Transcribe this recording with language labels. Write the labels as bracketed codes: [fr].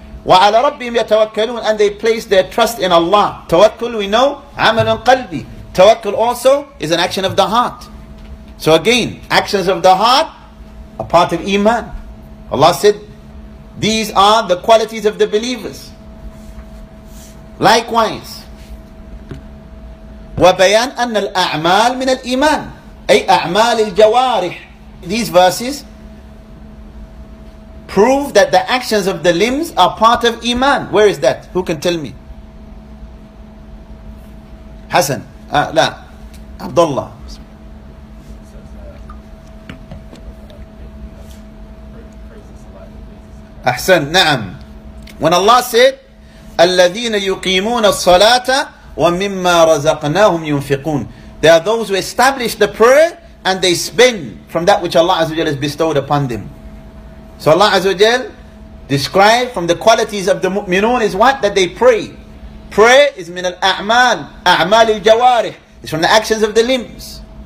[ar] وَعَلَى رَبِّهِمْ يَتَوَكَّلُونَ, [en] and they place their trust in Allah. Tawakkul, we know, [ar] عَمَلٌ قَلْبِ. [en] Tawakkul also is an action of the heart. So again, actions of the heart are part of iman. Allah said, these are the qualities of the believers. [ar] Likewise, وَبَيَانْ أَنَّ الْأَعْمَالِ مِنَ الْإِيمَانِ أَيْ أَعْمَالِ الْجَوَارِحِ. [en] These verses prove that the actions of the limbs are part of iman. Where is that? Who can tell me? Hassan. La. Abdullah. [ar] Ahsan. Na'am. [en] When Allah said, [ar] الَّذِينَ يُقِيمُونَ الصَّلَاةَ وَمِمَّا رَزَقْنَاهُمْ يُنْفِقُونَ. [en] They are those who establish the prayer and they spend from that which Allah Azza wa Jalla has bestowed upon them. So Allah Azza wa Jal described from the qualities of the mu'minun is what? That they pray. Prayer is min al-a'mal, a'mal al-jawarih. It's from the actions of the limbs.